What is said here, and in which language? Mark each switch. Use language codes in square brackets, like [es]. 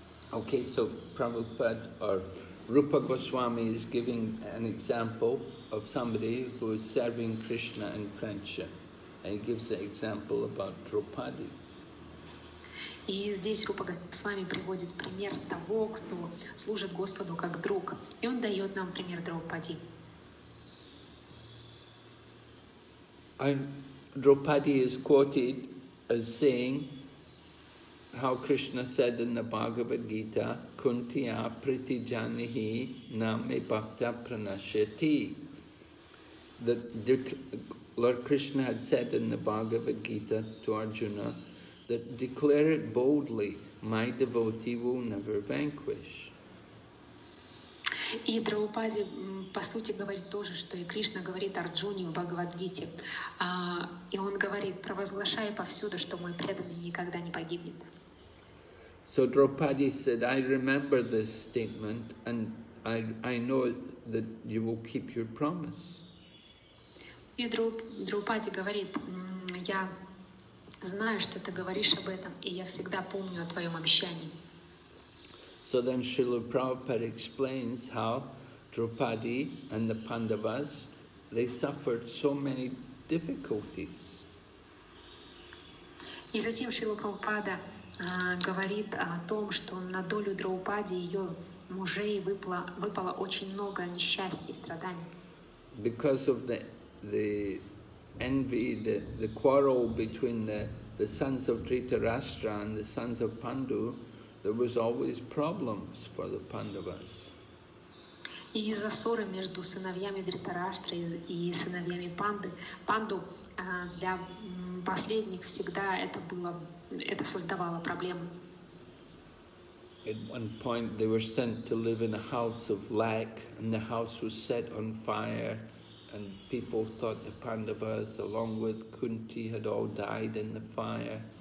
[en] Okay, so Prabhupada or Rupa Goswami is giving an example of somebody who is serving Krishna in friendship. And he gives an example about Draupadi. [ru] И здесь Рупа Госвами приводит пример того, кто служит Господу как друг. И он дает нам пример Драупади. [en] Драупади is quoted as saying how Krishna said in the Bhagavad Gita, [sa] Kuntiya priti janihi name bhakta pranashyati. [en] That Lord Krishna had said in the Bhagavad Gita to Arjuna, that declare it boldly, my devotee will never vanquish. [ru] И Драупади, по сути, говорит то же, что и Кришна говорит Арджуне в Бхагавад-гите. И он говорит, провозглашая повсюду, что мой преданный никогда не погибнет. [en] So Draupadi said, I remember this statement and I know that you will keep your promise. [ru] И Драупади говорит, я знаю, что ты говоришь об этом, и я всегда помню о твоем обещании. [en] So then Srila Prabhupada explains how Draupadi and the Pandavas, they suffered so many difficulties. [ru] И затем Шрила Прабхупада говорит о том, что на долю Драупади и ее мужей выпало очень много несчастья и страданий. [en] Because of the envy, the quarrel between the sons of Dhritarashtra and the sons of Pandu, there was always problems for the Pandavas. [ru] И из-за ссоры между сыновьями Дритараштры и сыновьями Панды, Панду для последних всегда это создавало проблемы. [en] At one point they were sent to live in a house of lack, and the house was set on fire, and people thought the Pandavas along with Kunti had all died in the fire.